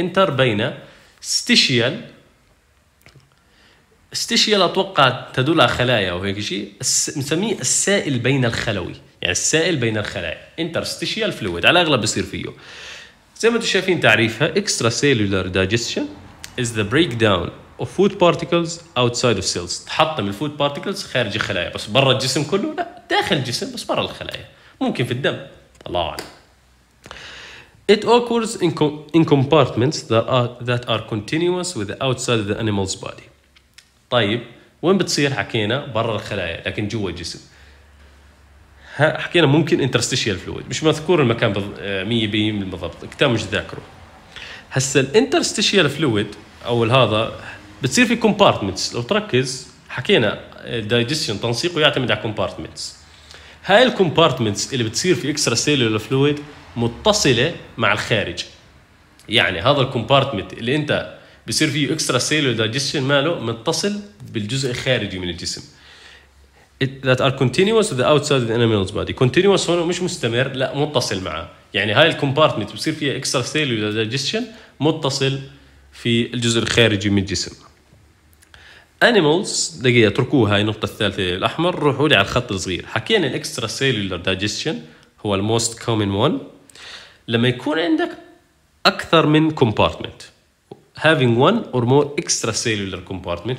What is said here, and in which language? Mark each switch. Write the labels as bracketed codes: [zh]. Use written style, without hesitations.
[ar] انتر بين ستيشيال، ستيشيال اتوقع تدل على خلايا وهيك شيء، نسميه السائل بين الخلوي، يعني السائل بين الخلايا interstitial fluid على الاغلب بصير فيه. زي ما انتم شايفين تعريفها [en] extracellular digestion is the breakdown of food particles outside of cells، [ar] تحطم الفود بارتيكلز خارج الخلايا، بس برا الجسم كله؟ لا، داخل الجسم بس برا الخلايا، ممكن في الدم. الله اعلم. [en] It occurs in compartments that are continuous with the outside of the animal's body. [ar] طيب وين بتصير؟ حكينا برا الخلايا لكن جوا الجسم. حكينا ممكن interstitial fluid، مش مذكور المكان 100% بالضبط، كتاب مش ذاكره. هسا ال interstitial fluid أو هذا بتصير في compartments، لو تركز حكينا digestion تنسيقه يعتمد على compartments. هاي ال compartments اللي بتصير في extracellular fluid متصلة مع الخارج، يعني هذا الكومبارتمنت اللي انت بصير فيه اكسترا سيلولر دايجستشن ماله متصل بالجزء الخارجي من الجسم. [en] That are continuous with the outside of the animal's body. [ar] Continuous هنا مش مستمر، لا متصل معه، يعني هاي الكومبارتمنت بصير فيها اكسترا سيلولر دايجستشن متصل في الجزء الخارجي من الجسم. Animals دقيقة اتركوها، هاي النقطة الثالثة الأحمر، روحوا لي على الخط الصغير. حكينا الاكسترا سيلولر دايجستشن هو [en] the most common one [ar] لما يكون عندك أكثر من compartment، [en] having one or more extracellular compartment.